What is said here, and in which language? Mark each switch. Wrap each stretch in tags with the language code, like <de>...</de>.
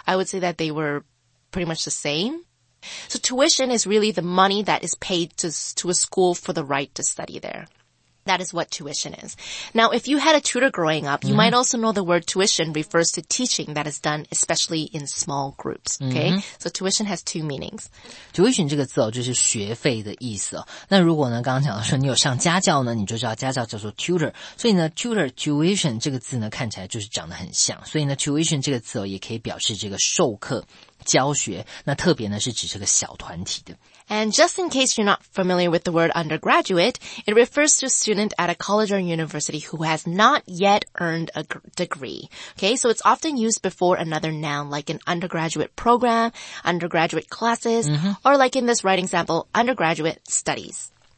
<en>I would say that they were pretty much the same. So tuition is really the money that is paid to a school for the right to study there. That is what tuition is. Now, if you had a tutor growing up, you mm-hmm. might also know the word tuition refers to teaching that is done especially in small groups. Okay? Mm-hmm. So tuition has two meanings.</en> <zh>Tuition 这个字哦，就是学费的意思哦。那如果呢，刚刚讲到说你有上家教呢，你就知道家教叫做 tutor。所以呢 ，tutor tuition 这个字呢，看起来就是长得很像。所以呢 ，tuition 这个字哦，也可以表示这个授课。教学，那特别呢，是指这个小团体的。</zh> <en>And just in case you're not familiar with the word undergraduate, it refers to a student at a college or university who has not yet earned a degree. Okay, so it's often used before another noun like an undergraduate program, undergraduate classes, mm-hmm. or like in this writing sample, undergraduate studies.</en>